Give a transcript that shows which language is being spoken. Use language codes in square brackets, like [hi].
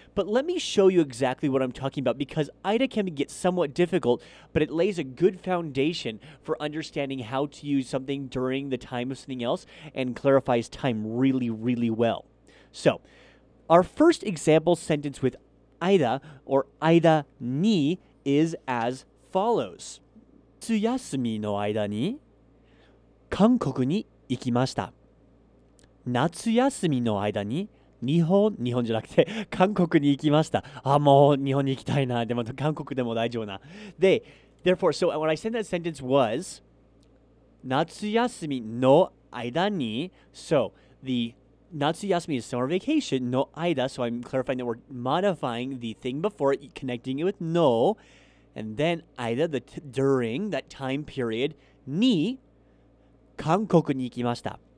[en] But let me show you exactly what I'm talking about, because Aida can get somewhat difficult, but it lays a good foundation for understanding how to use something during the time of something else and clarifies time really, really well. So our first example sentence with Aida or Aida ni is as follows. [ja] 夏休みの間に韓国に行きました。夏休みの間に日本じゃなくて韓国に行きました。あ、もう日本に行きたいな。でも韓国でも大丈夫な。 [en] で、therefore, so what I said that sentence was [ja] 夏休みの間に、 [en] so the 夏休み is summer vacation, の間, so I'm clarifying that we're modifying the thing before it, connecting it with no,And then, either the during that time period, ni, [ja] 韓国に行きました.